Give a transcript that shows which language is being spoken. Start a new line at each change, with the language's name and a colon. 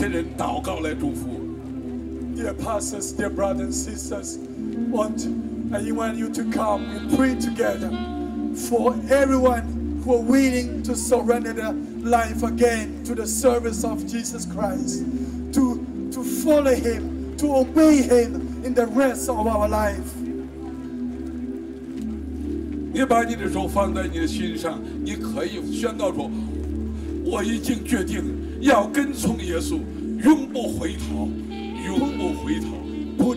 Chinese: 我们一同站起来，来到主的面前，来为主这些跟从耶稣做主门徒的人，来为这些人祷告，来祝福。
English: Dear pastors, dear brothers and sisters, I invite you to come and pray together for everyone who are willing to surrender their life again to the service of Jesus Christ, to follow Him, to obey Him in the rest of our life.
Chinese: 你把你的手放在你的心上，你可以宣告说：“我已经决定要跟从耶稣，永不回头，永不回头。”
English: Put